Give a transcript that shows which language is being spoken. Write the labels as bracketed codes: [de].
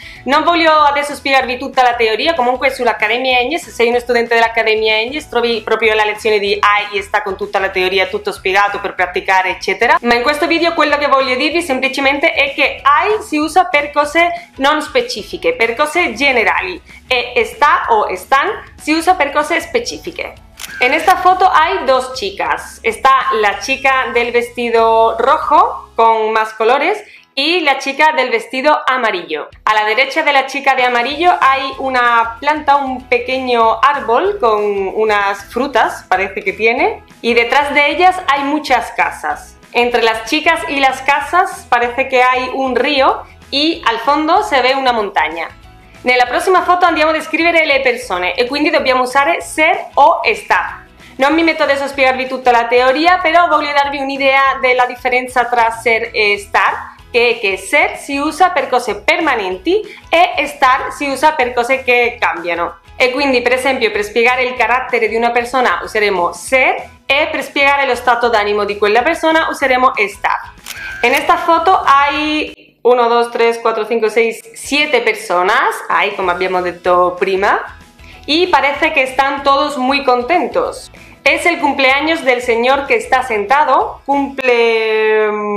[it] Non voglio adesso spiegarvi tutta la teoria, comunque sull'Accademia Agnes, se sei uno studente dell'Accademia Agnes trovi proprio la lezione di hai e sta con tutta la teoria, tutto spiegato per praticare eccetera. Ma in questo video quello che voglio dirvi semplicemente è che hai si usa per cose non specifiche, per cose generali, e sta o están si usa per cose specifiche. [es] En esta foto hay dos chicas. Está la chica del vestido rojo con más colores y la chica del vestido amarillo. A la derecha de la chica de amarillo hay una planta, un pequeño árbol con unas frutas, parece que tiene, y detrás de ellas hay muchas casas. Entre las chicas y las casas parece que hay un río y al fondo se ve una montaña. [it] Nella prossima foto andiamo a descrivere le persone e quindi dobbiamo usare ser o sta. Non mi metto adesso a spiegarvi tutta la teoria, però voglio darvi un'idea della differenza tra ser e star, che è che ser si usa per cose permanenti e star si usa per cose che cambiano. E quindi, per esempio, per spiegare il carattere di una persona useremo ser e per spiegare lo stato d'animo di quella persona useremo star. In questa foto [es] hai 1, 2, 3, 4, 5, 6, 7 personas, ahí como habíamos dicho prima, y parece que están todos muy contentos. Es el cumpleaños del señor que está sentado, cumple...